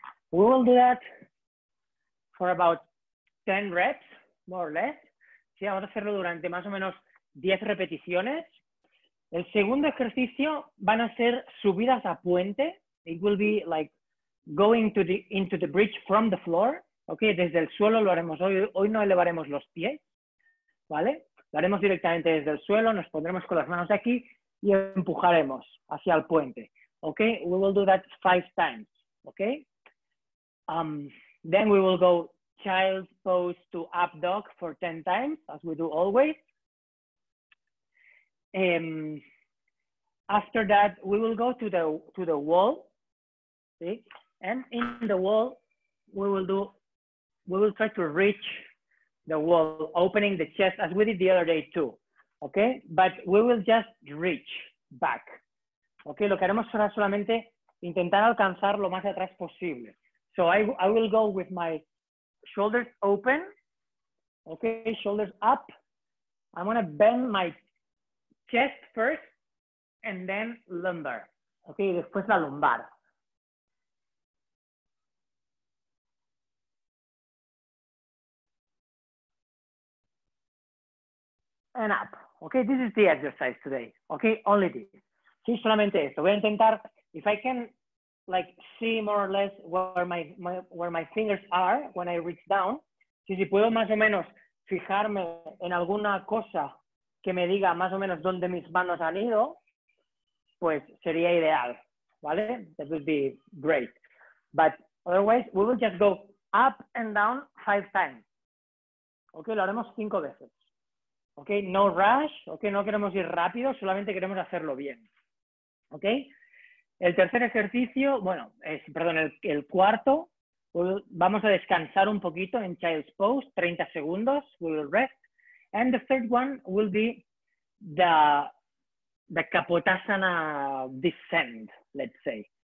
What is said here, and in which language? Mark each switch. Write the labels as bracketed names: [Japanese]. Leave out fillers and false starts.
[English] We will do that for about 10 reps, more or less. [Spanish] Sí, vamos a hacerlo durante más o menos 10 repeticiones. El segundo ejercicio van a ser subidas a puente. [English] It will be like going to the, into the bridge from the floor. [Spanish] Ok, desde el suelo lo haremos hoy. Hoy no elevaremos los pies, ¿vale? Lo haremos directamente desde el suelo. Nos pondremos con las manos aquí y empujaremos hacia el puente. [English] Ok, we will do that 5 times. Ok. Then we will go child pose to up dog for 10 times, as we do always. After that, we will go to the wall. ¿Sí? And in the wall, we will try to reach the wall, opening the chest as we did the other day too, okay? But we will just reach back, okay? [Spanish] Lo que haremos será solamente intentar alcanzar lo más atrás posible. [English] So I will go with my shoulders open, okay? Shoulders up. I'm gonna bend my chest first and then lumbar, okay? [Spanish] Después la lumbar. [English] And up. Okay, this is the exercise today. Okay, only this. [Spanish] Sí, solamente esto. Voy a intentar, [English] if I can like see more or less where my fingers are when I reach down, [Spanish] si puedo más o menos fijarme en alguna cosa que me diga más o menos dónde mis manos han ido, pues sería ideal, ¿vale? [English] That would be great. But otherwise, we will just go up and down 5 times. [Spanish] Okay, lo haremos 5 veces. Okay, [English] no rush, [Spanish] okay, no queremos ir rápido, solamente queremos hacerlo bien. Okay? El tercer ejercicio, bueno, es, perdón, el cuarto, vamos a descansar un poquito en child's pose, 30 segundos, [English] we will rest. And the third one will be the Kapotasana descent, let's say.